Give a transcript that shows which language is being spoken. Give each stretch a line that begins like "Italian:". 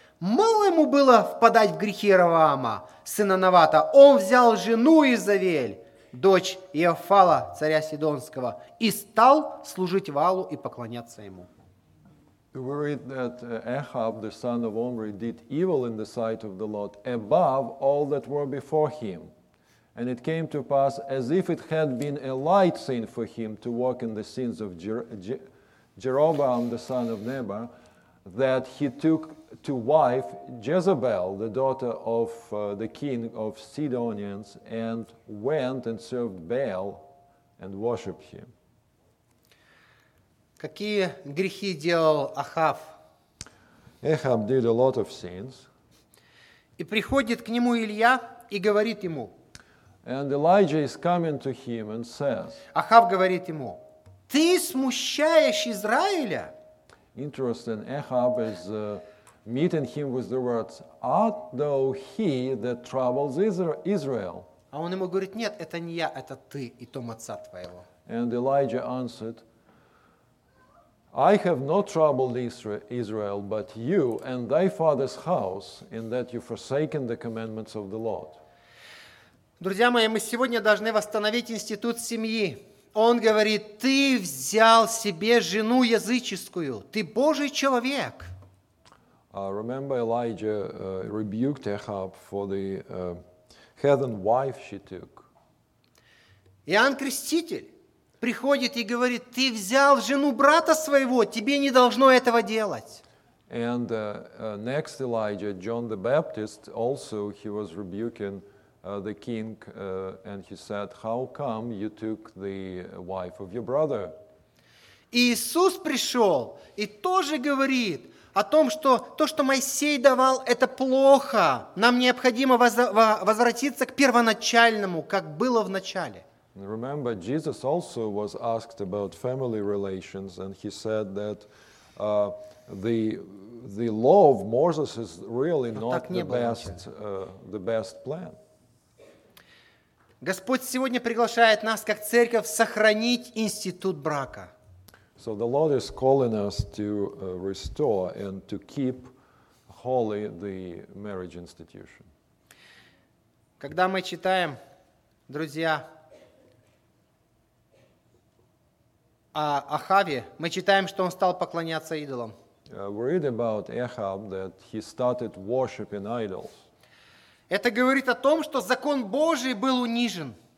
Russian: Мало ему было впадать в грехи Иеровоама, сына Навата. Он взял жену Изавель, дочь Иофала, царя Сидонского, и стал служить Ваалу и поклоняться ему.
English: We read that Ahab, the son of Omri, did evil in the sight of the Lord above all that were before him. And it came to pass, as if it had been a light sin for him to walk in the sins of Jeroboam, the son of Nebat, that he took to wife Jezebel, the daughter of the king of Sidonians, and went and served Baal and worshipped him.
Russian: Какие грехи делал Ахав?
English: Ahab did a lot of sins.
Russian: И приходит к нему Илья и говорит ему.
English: And Elijah is coming to him and says.
Russian: Ахав говорит ему: "Ты смущаешь Израиля?"
English: Interesting. Ahab is meeting him with the words, "Art thou he that troubles Israel?"
Russian: А он ему говорит: "Нет, это не я, это ты и дом отца твоего."
English: And Elijah answered, "I have not troubled Israel, but you and thy father's house, in that you forsaken the commandments of the Lord."
Russian: Друзья мои, мы сегодня должны восстановить институт семьи. Он говорит: "Ты взял себе жену языческую. Ты Божий человек."
English: Remember, Elijah rebuked Ahab for the heathen wife she took.
Russian: Иоанн Креститель приходит и говорит: "Ты взял жену брата своего, тебе не должно этого делать."
English: And next Elijah, John the Baptist, also he was rebuking the king, and he said, "How come you took the wife of your brother?"
Russian: Иисус пришел и тоже говорит о том, что то, что Моисей давал, это плохо. Нам необходимо возвратиться к первоначальному, как было в начале.
English: Remember, Jesus also was asked about family relations, and he said that the law of Moses is really not the best plan.
Russian: Господь сегодня приглашает нас как церковь сохранить институт брака.
English: So the Lord is calling us to restore and to keep holy the marriage institution.
Russian: Когда мы читаем, друзья, о Ахаве, мы читаем, что он стал поклоняться идолам.
English: We read about Ahab that he started worshiping idols.
Russian: Это говорит о том, что закон Божий был унижен.